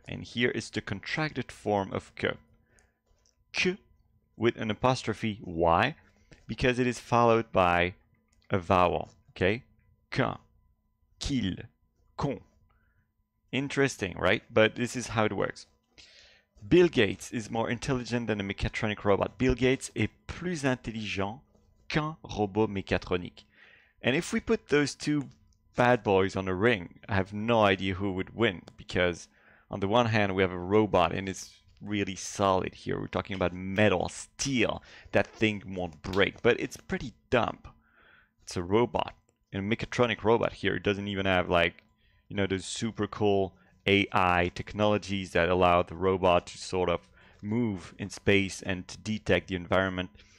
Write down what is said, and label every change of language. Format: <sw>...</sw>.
<en>And here is the contracted form of que. Que with an apostrophe, why? Because it is followed by a vowel, okay? Qu'un, qu'il, qu'on. Interesting, right? But this is how it works. Bill Gates is more intelligent than a mechatronic robot.</en> <fr>Bill Gates est plus intelligent qu'un robot mechatronique.</fr> <en>And if we put those two bad boys on a ring, I have no idea who would win, because on the one hand, we have a robot and it's really solid here. We're talking about metal, steel. That thing won't break, but it's pretty dumb. It's a robot, a mechatronic robot here. It doesn't even have, like, you know, those super cool AI technologies that allow the robot to sort of move in space and to detect the environment.</en>